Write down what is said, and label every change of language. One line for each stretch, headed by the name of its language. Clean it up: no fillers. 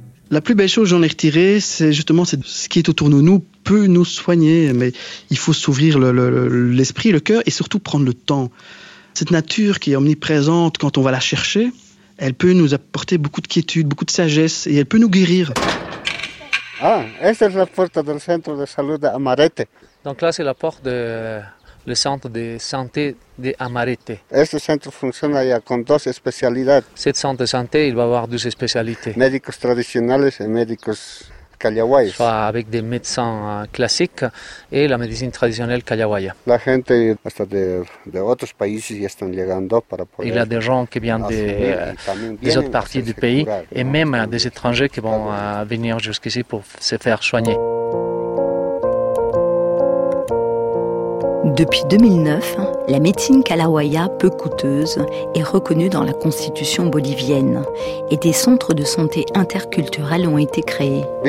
French: La plus belle chose que j'en ai retirée, c'est justement ce qui est autour de nous peut nous soigner. Mais il faut s'ouvrir l'esprit, le cœur et surtout prendre le temps. Cette nature qui est omniprésente quand on va la chercher, elle peut nous apporter beaucoup de quiétude, beaucoup de sagesse et elle peut nous guérir.
Spanish: Ah, esta es la puerta del centro de salud de Amarete.
French: Donc là, c'est la porte du centre de santé de Amarete.
Spanish: Este centro funciona ya con dos especialidades.
French: Cet centre de santé, il va avoir deux spécialités.
Spanish: Médicos tradicionales y médicos callawayes.
French: Soit avec des médecins classiques et la médecine traditionnelle callawaya.
Spanish: La gente hasta de otros países ya están llegando para poder...
French: Il y a des gens qui viennent des autres parties du pays
Spanish: curar,
French: et non, même des étrangers qui vont venir jusqu'ici pour se faire soigner. Depuis 2009, la médecine callawaya, peu coûteuse, est reconnue dans la constitution bolivienne et des centres de santé interculturels ont été créés.